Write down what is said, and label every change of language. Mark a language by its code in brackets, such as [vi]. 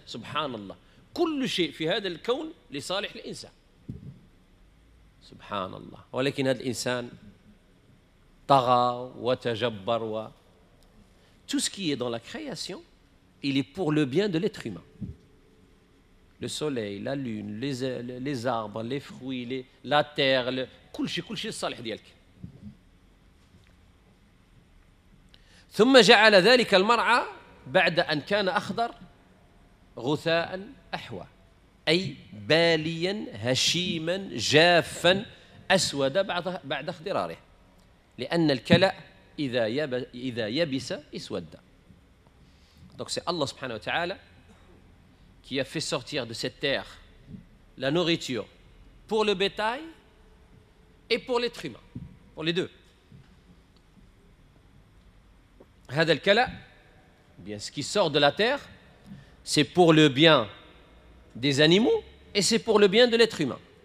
[ar] سبحان الله، كل شيء في هذا الكون لصالح الانسان سبحان الله، ولكن هذا الانسان طغى وتجبر و [fr] tout ce qui est dans la création il est pour le bien de l'être humain. Le soleil, la lune, les arbres, les fruits, la terre, [ar] كل شيء الصالح ديالك. ثم جعل ذلك المرعى بعد أن كان أخضر غثاء أحوى، أي باليا هشيما جافا أسود بعد اخضراره، لأن الكلاء إذا يبس اسود. [fr] Donc c'est Allah سبحانه وتعالى qui a fait sortir de cette terre la nourriture pour le bétail et pour l'être humain, pour les deux. [ar] هذا الكلاء [fr] bien ce qui sort de la terre c'est pour le bien des animaux et c'est pour le bien de l'être humain.